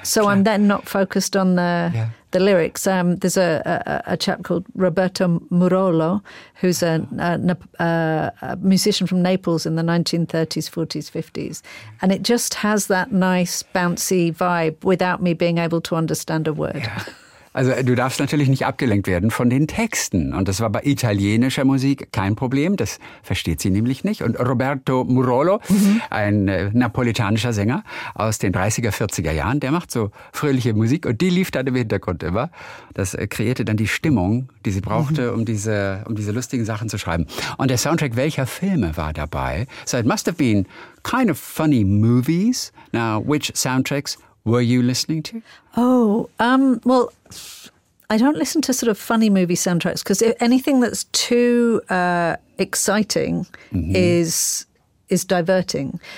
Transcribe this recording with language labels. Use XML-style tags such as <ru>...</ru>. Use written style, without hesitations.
<en>So I'm then not focused on the lyrics. There's a chap called Roberto Murolo, who's a musician from Naples in the 1930s, 40s, 50s. And it just has that nice, bouncy vibe without me being able to understand a word. Yeah.</en> <de>Also du darfst natürlich nicht abgelenkt werden von den Texten. Und das war bei italienischer Musik kein Problem, das versteht sie nämlich nicht. Und Roberto Murolo, ein napolitanischer Sänger aus den 30er, 40er Jahren, der macht so fröhliche Musik und die lief dann im Hintergrund immer. Das kreierte dann die Stimmung, die sie brauchte, um diese lustigen Sachen zu schreiben. Und der Soundtrack welcher Filme war dabei?</de> <en>So it must have been kind of funny movies. Now, which soundtracks were you listening to? Oh, well, I don't listen to sort of funny movie soundtracks because anything that's too exciting is diverting.</en>